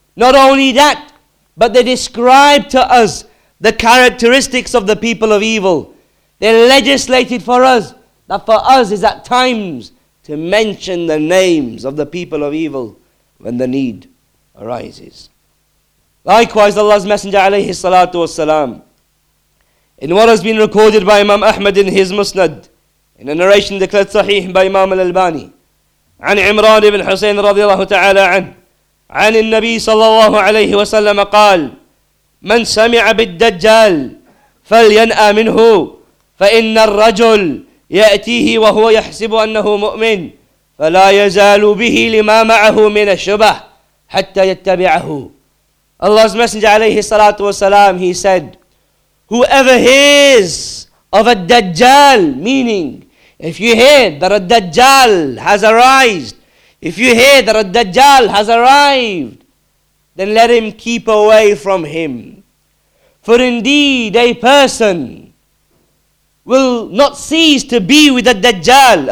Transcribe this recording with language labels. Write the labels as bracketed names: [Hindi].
[English] Not only that, but they described to us the characteristics of the people of evil. They legislated for us that for us is at times to mention the names of the people of evil when the need arises. Likewise, Allah's Messenger [Arabic] alayhi salatu wasalam, [English] in what has been recorded by Imam Ahmad in his Musnad, in a narration declared sahih by Imam al-Albani, [Arabic] عن عمران بن حسين رضي الله تعالى عنه عن النبي صلى الله عليه وسلم قال من سمع بالدجال فلينأى منه فإن الرجل يأتيه وهو يحسب أنه مؤمن فلا يزال به لما معه من الشبه حتى يتبعه. [English] Allah's Messenger [Arabic] عليه الصلاة والسلام, [English] he said, Whoever hears of a Dajjal, meaning if you hear that a Dajjal has arisen, if you hear that a Dajjal has arrived, then let him keep away from him. For indeed a person will not cease to be with a Dajjal.